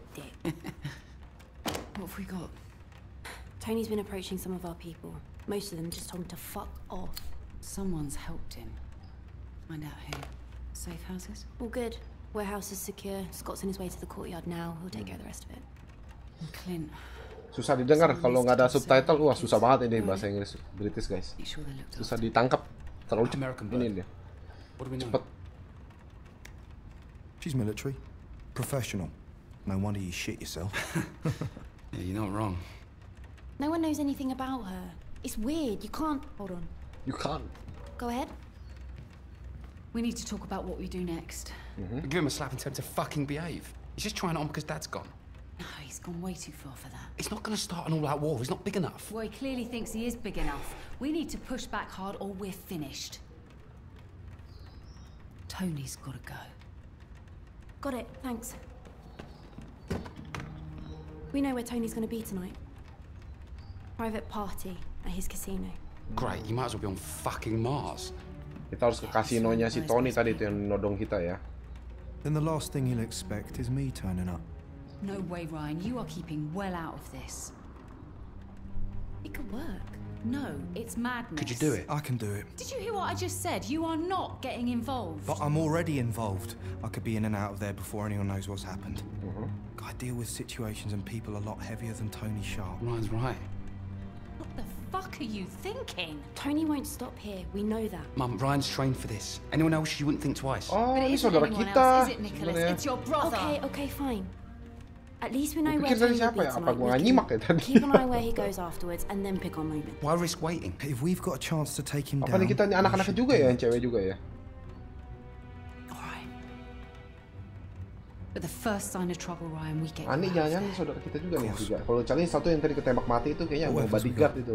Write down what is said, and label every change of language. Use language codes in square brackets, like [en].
[en] Dick. What have we got? Tony's been approaching some of our people. Most of them just told him to fuck off. Someone's helped him. Find out who. Safe houses? All good. Warehouse is secure. Scott's on his way to the courtyard now. He'll take care of the rest of it. And Clint. [id] Susah didengar kalau nggak ada subtitle. Wah, susah banget ini bahasa Inggris British, guys. Susah ditangkap. Terlalu cepat. Ini dia. Cepat. [en] She's military. Professional. No wonder you shit yourself. Yeah, you're not wrong. No one knows anything about her. It's weird. You can't... Hold on. You can't. Go ahead. We need to talk about what we do next. Mm-hmm. Give him a slap and tell him to fucking behave. He's just trying it on because Dad's gone. No, he's gone way too far for that. He's not going to start an all-out war. He's not big enough. Well, he clearly thinks he is big enough. We need to push back hard or we're finished. Tony's got to go. Got it. Thanks. We know where Tony's going to be tonight. Private party at his casino. Great. You might as well be on fucking Mars. [id] Kita harus ke kasinonya si Tony tadi itu yang nodong kita ya. [en] Then the last thing he'll expect is me turning up. No way, Ryan. You are keeping well out of this. It could work. No, it's madness. Could you do it? I can do it. Did you hear what I just said? You are not getting involved. But I'm already involved. I could be in and out of there before anyone knows what's happened. Uh-huh. I deal with situations and people a lot heavier than Tony Sharp. Ryan's right. What the fuck are you thinking? Tony won't stop here. We know that. Mum, Ryan's trained for this. Anyone else, you wouldn't think twice. Oh, but it's not anyone [id] kita. [en] Else, is it, Nicholas? Yeah. It's your brother. Okay, okay, fine. At least we know where he's going. Keep an eye where he goes afterwards, and then pick our moment. Why risk waiting? If we've got a chance to take him down. [id] Kita ini anak-anak juga ya, cewek juga ya. [en] Alright. But the first sign of trouble, Ryan, we get. [id] Aneh, jangan-jangan saudara kita juga nih juga. Kalau cari satu yang tadi ketembak mati itu kayaknya mau bodyguard itu.